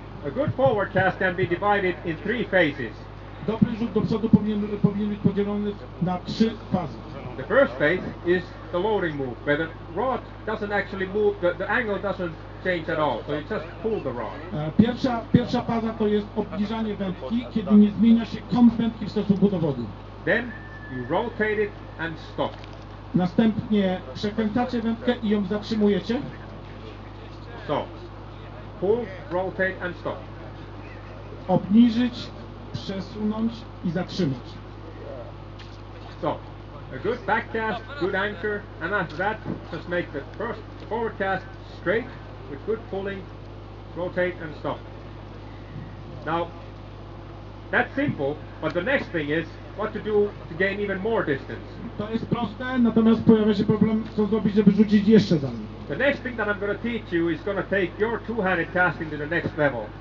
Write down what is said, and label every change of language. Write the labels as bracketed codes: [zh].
[en] A good forward cast can be divided in three phases. [pl] Dobry rzut do przodu powinien być podzielony na trzy fazy. [en] The first phase is the loading move, where the rod doesn't actually move, the angle doesn't change at all, so you just pull the rod. [pl] Pierwsza faza to jest obniżanie wędki, kiedy nie zmienia się kąt wędki w stosunku do wody. [en] Then you rotate it and stop. [pl] Następnie przekręcacie wędkę i ją zatrzymujecie. [en] So, pull, rotate and stop. [pl] Obniżyć, przesunąć i zatrzymać. [en] So, a good back cast, good anchor, and after that, just make the first forward cast straight with good pulling, rotate and stop. Now, that's simple, but the next thing is what to do to gain even more distance. [pl] To jest proste, natomiast pojawia się problem, co zrobić, żeby rzucić jeszcze dalej. [en] The next thing that I'm going to teach you is going to take your two-handed casting to the next level.